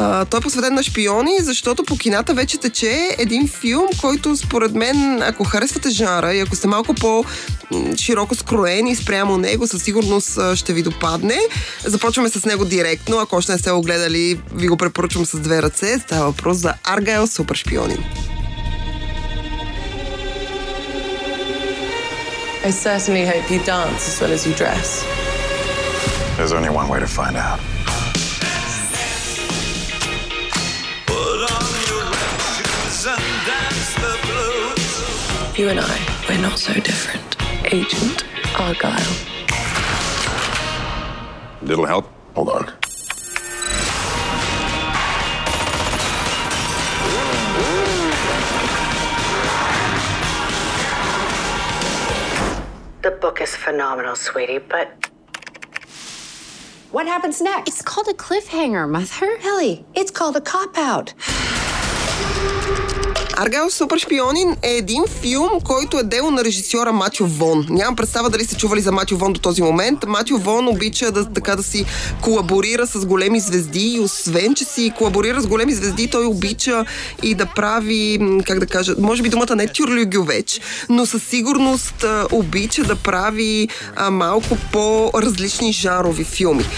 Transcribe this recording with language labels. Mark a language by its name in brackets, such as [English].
[Bulgarian] Той е посветен на шпиони, защото по кината вече тече един филм, който според мен, ако харесвате жанра и ако сте малко по-широко скроени спрямо него, със сигурност ще ви допадне. Започваме с него директно. Ако още не сте го гледали, ви го препоръчвам с две ръце. Става въпрос за Аргайл Супер Шпиони. [English] I certainly hope you dance as well as you dress. There's only one way to find out. Put on your red shoes and dance the blues. You and I, we're not so different. Agent Argyle. Little help? Hold on. The book is phenomenal, sweetie, but what happens next? It's called a cliffhanger, Mother. Ellie, it's called a cop-out. [Bulgarian] Аргайл Супер Шпионин е един филм, който е дело на режисьора Матю Вон. Нямам представа дали сте чували за Матю Вон до този момент. Матю Вон обича да, така да си колаборира с големи звезди, и освен че си колаборира с големи звезди, той обича и да прави, как да кажа, може би думата не тюрлюгю вече, но със сигурност обича да прави малко по-различни жанрови филми.